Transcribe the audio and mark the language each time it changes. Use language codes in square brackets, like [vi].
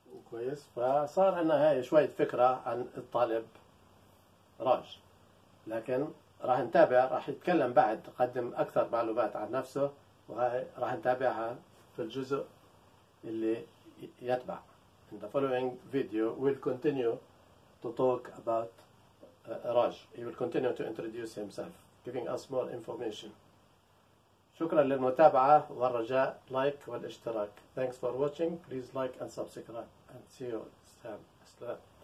[ar] كويس؟ فصار عندنا هاي شوية فكرة عن الطالب راج، لكن راح نتابع، راح يتكلم بعد، قدم أكثر معلومات عن نفسه، وهاي راح نتابعها في الجزء اللي يتبع. [en] In the following video we'll continue to talk about Raj. He will continue to introduce himself, giving us more information. [ar] شكرا للمتابعة والرجاء لايك والاشتراك. [en] Thanks for watching. Please like and subscribe. And see you. Assalam.